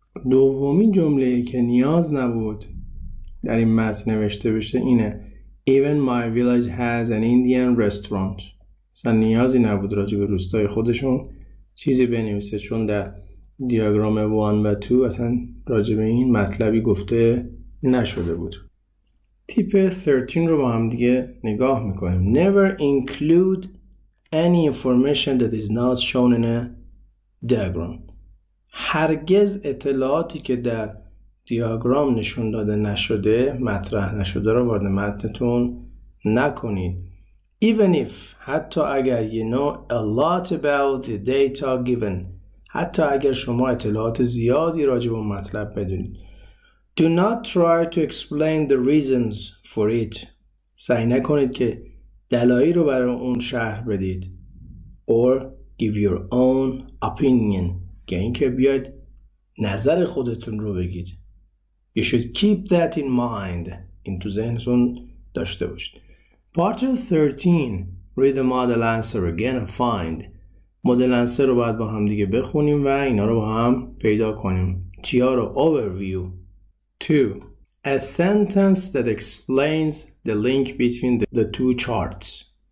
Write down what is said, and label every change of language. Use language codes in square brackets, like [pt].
[fa] دومین جمله که نیاز نبود در این متن نوشته بشه اینه [en] Even my village has an Indian restaurant. [fa] مثلا نیازی نبود راجع به روستای خودشون چیزی بنویسه چون در دیاگرام 1 و 2 اصلا راجع به این مطلبی گفته نشده بود. تیپ 13 رو با هم دیگه نگاه میکنیم. [en] Never include any information that is not shown in a diagram. [fa] هرگز اطلاعاتی که در دیاگرام نشون داده نشده مطرح نشده رو وارد متنتون نکنید. [en] Even if [fa] حتی اگر [en] you know a lot about the data given. [fa] حتی اگر شما اطلاعات زیادی راجع به مطلب بدونید. [en] Do not try to explain the reasons for it. [fa] سعی نکنید که دلایلی رو برای اون شرح بدید. [en] Or give your own opinion. [fa] که اینکه بیاید نظر خودتون رو بگید. [en] You should keep that in mind. [fa] این تو ذهنتون داشته باشید. [en] Part 13. Read the model answer again and find. [fa] مدل انسر رو باید با هم دیگه بخونیم و اینا رو با هم پیدا کنیم. چیا رو overview. 2. [en] A sentence that explains the link between the two charts.